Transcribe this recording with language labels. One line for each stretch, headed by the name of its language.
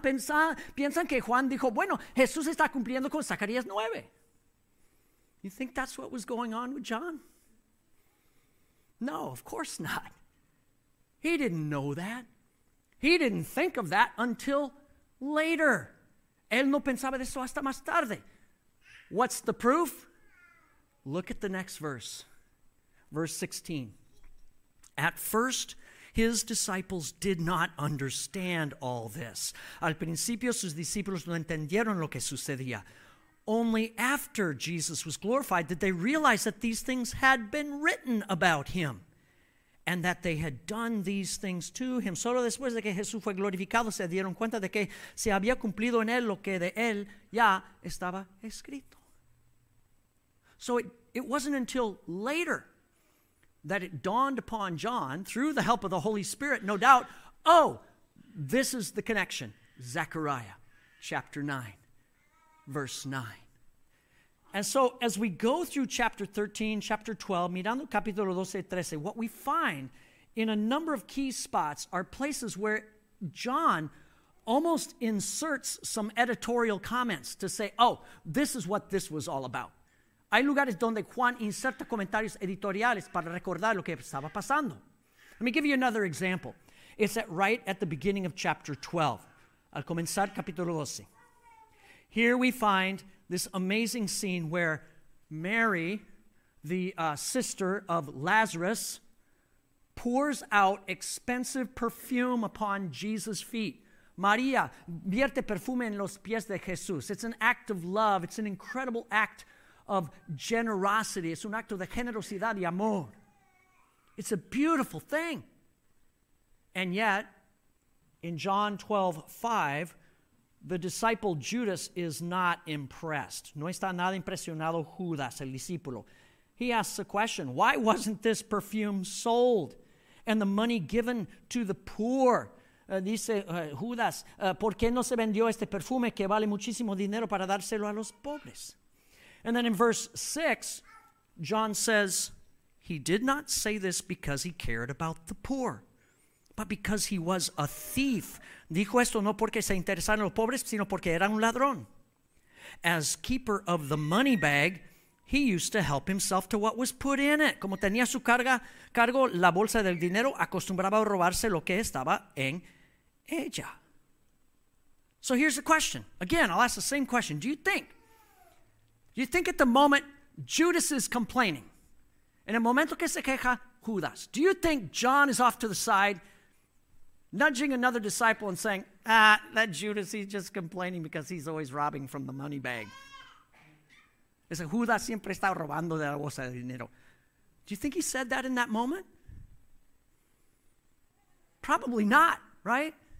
Spanish: Piensan que Juan dijo, bueno, Jesús está cumpliendo con Zacarías 9.
English: You think that's what was going on with John? No, of course not. He didn't know that. He didn't think of that until later.
Spanish: Él no pensaba de eso hasta más tarde.
English: What's the proof? Look at the next verse. Verse 16. "At first, his disciples did not understand all this."
Spanish: Al principio, sus discípulos no entendieron lo que sucedía.
English: "Only after Jesus was glorified did they realize that these things had been written about him and that they had done these things to him."
Spanish: Solo después de que Jesús fue glorificado se dieron cuenta de que se había cumplido en él lo que de él ya estaba escrito.
English: So it wasn't until later that it dawned upon John through the help of the Holy Spirit, no doubt, oh, this is the connection. Zechariah chapter 9. Verse 9. And so as we go through chapter 13, chapter 12,
Spanish: mirando capítulo 12, 13,
English: what we find in a number of key spots are places where John almost inserts some editorial comments to say, oh, this is what this was all about.
Spanish: Hay lugares donde Juan inserta comentarios editoriales para recordar lo que estaba pasando.
English: Let me give you another example. It's right at the beginning of chapter 12.
Spanish: Al comenzar capítulo 12.
English: Here we find this amazing scene where Mary, the sister of Lazarus, pours out expensive perfume upon Jesus' feet.
Spanish: María vierte perfume en los pies de Jesús.
English: It's an act of love. It's an incredible act of generosity.
Spanish: Es un acto de generosidad y amor.
English: It's a beautiful thing. And yet, in John 12:5, the disciple Judas is not impressed.
Spanish: No está nada impresionado Judas, el discípulo.
English: He asks a question. Why wasn't this perfume sold and the money given to the poor?
Spanish: Dice Judas, ¿por qué no se vendió este perfume que vale muchísimo dinero para dárselo a los pobres?
English: And then in verse 6, John says, he did not say this because he cared about the poor, but because he was a thief.
Spanish: Dijo esto no porque se interesaran los pobres, sino porque era un ladrón.
English: As keeper of the money bag, he used to help himself to what was put in it.
Spanish: Como tenía su cargo la bolsa del dinero, acostumbraba a robarse lo que estaba en ella.
English: So here's the question. Again, I'll ask the same question. Do you think at the moment Judas is complaining?
Spanish: En el momento que se queja, Judas.
English: Do you think John is off to the side, nudging another disciple and saying, that Judas, he's just complaining because he's always robbing from the money bag.
Spanish: Dice, Judas siempre está robando de la bolsa de dinero.
English: Do you think he said that in that moment? Probably not, right?